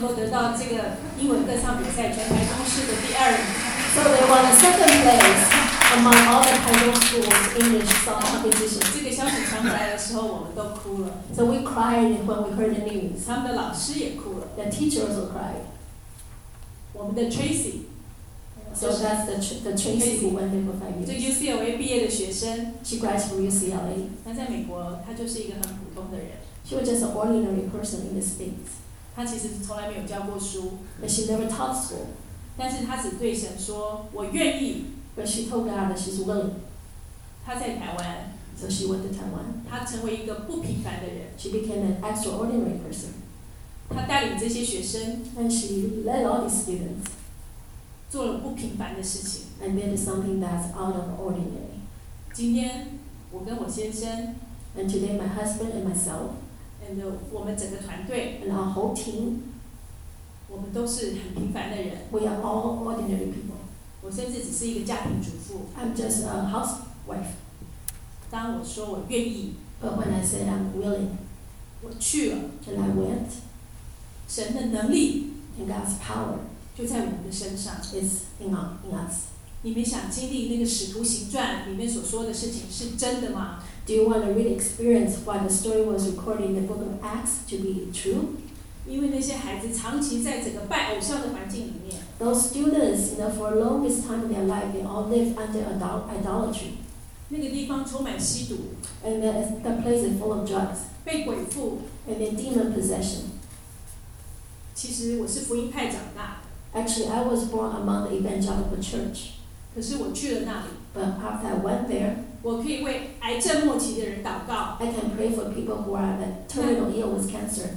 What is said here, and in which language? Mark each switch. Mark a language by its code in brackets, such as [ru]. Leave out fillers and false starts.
[zh] 到这个英文歌唱比赛全台中市的第二名。 [en] So they won the second place among all the Taiwan schools English song competition. [zh] 这个消息传回来的时候，我们都哭了。 [en] So we cried when we heard the news. [zh] 他们的老师也哭了。 [en] The teacher also cried. [zh] 我们的 Tracy. [en] So that's the Tracy who went there for 5 years. [zh] 就 UCLA 毕业的学生。 [en] She graduated UCLA. [zh] 她在美国，她就是一个很普通的人。 [en] She was just an ordinary person in the States. [zh] 她其实从来没有教过书。 [en] But she never taught school. [zh] 但是他只对神说，我愿意。 [en] But she told God that she's willing. [zh] 他在台湾。 [en] So she went to Taiwan. [zh] 他成为一个不平凡的人。 [en] She became an extraordinary person. [zh] 他带领这些学生。 [en] And she led all these students. [zh] 做了不平凡的事情。 [en] And did something that's out of ordinary. [zh] 今天我跟我先生。 [en] And today my husband and myself. [zh] And 我们整个团队。 [en] And our whole team. [zh] 我们都是很平凡的人。 [en] We are all ordinary people. [zh] 我甚至只是一个家庭主妇。 [en] I'm just a housewife. [zh] 当我说我愿意。 [en] But when I said I'm willing. [zh] 我去了。 [en] And I went. [zh] 神的能力。 [en] And God's power. [zh] 就在我们的身上。 [en] Is in us. [zh] 你们想经历那个使徒行传里面所说的事情是真的吗？ [en] Do you want to really experience why the story was recorded in the book of Acts to be true? [zh] 因为那些孩子长期在整个拜偶像的环境里面。 [en] Those students, you know, for the longest time in their life, they all live under idolatry. [zh] 那个地方充满吸毒。 [en] And the place is full of drugs. [zh] 被鬼附。 [en] And then demon possession. [zh] 其实我是福音派长大。 [en] Actually, I was born among the evangelical church. [zh] 可是我去了那里。 [en] But after I went there, [zh] 我可以为癌症末期的人祷告。 [en] I can pray for people who are at terminal ill with cancer.